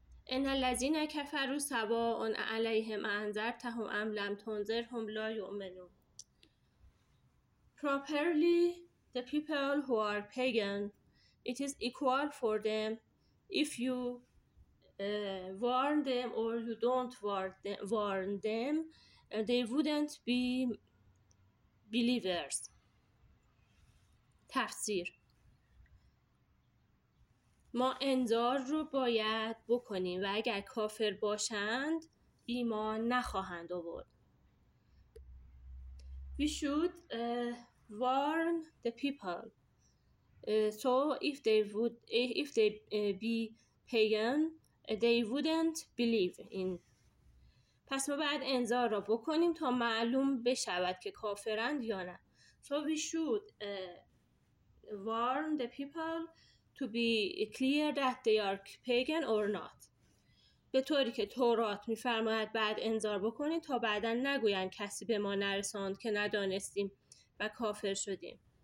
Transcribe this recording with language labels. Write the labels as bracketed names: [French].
[Arabic] ان الذين كفروا سواء عليهم انذرتهم ام لم تنذرهم لا يؤمنون. [English] Properly, the people who are pagan, it is equal for them if you warn them or you don't warn them, they wouldn't be believers. [Persian] تفسیر: ما انذار رو باید بکنیم و اگر کافر باشند ایمان نخواهند آورد. [English] We should warn the people. So if they be pagan, they wouldn't believe in. [Persian] پس ما باید انذار رو بکنیم تا معلوم بشود که کافرند یا نه. [English] So we should warn the people to be clear that they are pagan or not. [Persian] به طوری که تورات می فرماید بعد انذار بکنید تا بعدا نگوین کسی به ما نرساند که ندانستیم و کافر شدیم.